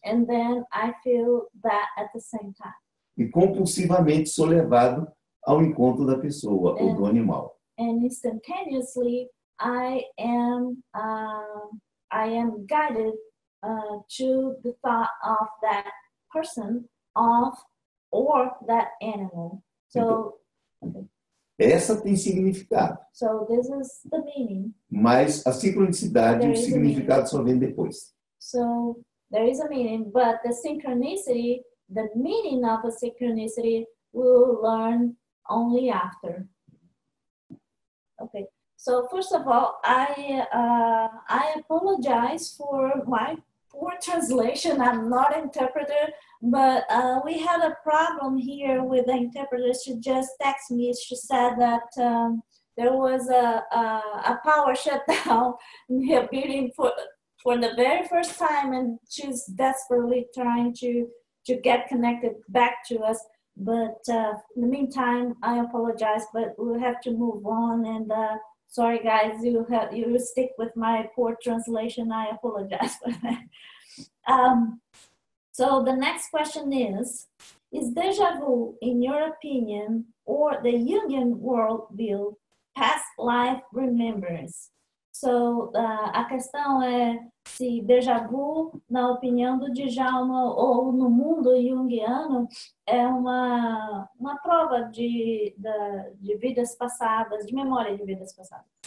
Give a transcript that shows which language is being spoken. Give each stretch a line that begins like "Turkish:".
English: And then I feel that at the same time.
Portuguese: E compulsivamente sou levado ao encontro da pessoa ou do animal.
English: And instantaneously I am guided to the thought of that person of or that animal. So
Portuguese: essa tem significado.
English: So this is the meaning.
Portuguese: Mas a sincronicidade, o significado só vem depois.
English: So there is a meaning, but the synchronicity, the meaning of a synchronicity, we'll learn only after. Okay. So first of all, I apologize for my poor translation. I'm not an interpreter. But we had a problem here with the interpreter. She just texted me. She said that there was a power shutdown in her building for for the very first time, and she's desperately trying to get connected back to us. But in the meantime, I apologize, but we'll have to move on. And sorry, guys, you stick with my poor translation. I apologize for that. So the next question is déjà vu, in your opinion, or the Jungian worldview, past life remembrance?
Portuguese: So a questão é se déjà vu, na opinião do Djalma, ou no mundo junguiano, é uma prova de vidas passadas, de memória de vidas passadas.